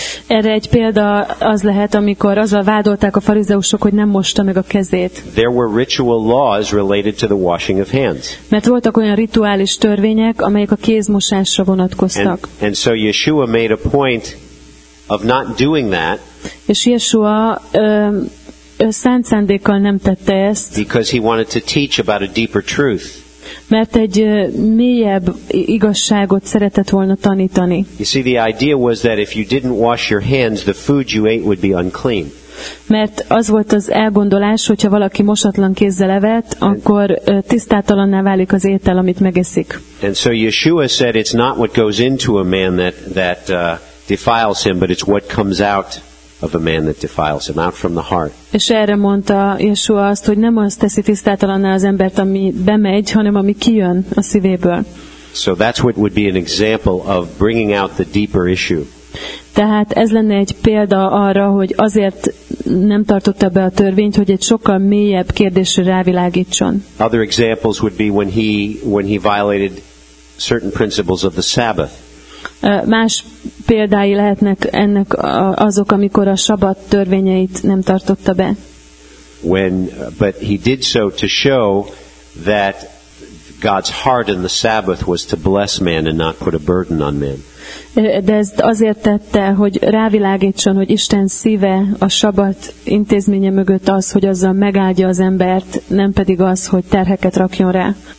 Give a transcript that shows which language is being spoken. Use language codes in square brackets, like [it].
[hu] Erre egy példa az lehet, amikor azzal vádolták a farizeusok, hogy nem mosta meg a kezét. [en] There were ritual laws related to the washing of hands. [hu] Mert voltak olyan rituális törvények, amelyek a kézmosásra vonatkoztak. [en] And so Yeshua made a point of not doing that. [hu] És Yeshua szánt szándékkal nem tette ezt. [en] Because he wanted to teach about a deeper truth. [hu] Mert egy mélyebb igazságot szeretett volna tanítani. [en] You see, the idea was that if you didn't wash your hands, the food you ate would be unclean. [hu] Mert az volt az elgondolás, hogyha valaki mosatlan kézzel evett, akkor tisztátalanná válik az étel, amit megeszik. [en] And so Yeshua said it's not what goes into a man that defiles him, but it's what comes out of a man that defiles him, out from the heart. [hu] És erre mondta Yeshua azt, hogy nem azt teszi tisztátalanná az embert, ami bemegy, hanem ami kijön a szívéből. [en] So that's what would be an example of bringing out the deeper issue. [hu] Tehát ez lenne egy példa arra, hogy azért nem tartotta be a törvényt, hogy egy sokkal mélyebb kérdésre rávilágítson. [en] Other examples would be when he violated certain principles of the Sabbath. [hu] Más példái lehetnek ennek azok, amikor a sabbat törvényeit nem tartotta be. [en] But he did so to show that God's heart in the Sabbath was to bless man and not put a burden on man. [hu] De ezt azért tette, hogy rávilágítson, hogy Isten szíve a sabbat intézménye mögött az, hogy azzal megáldja az embert, nem pedig az, hogy terheket rakjon rá.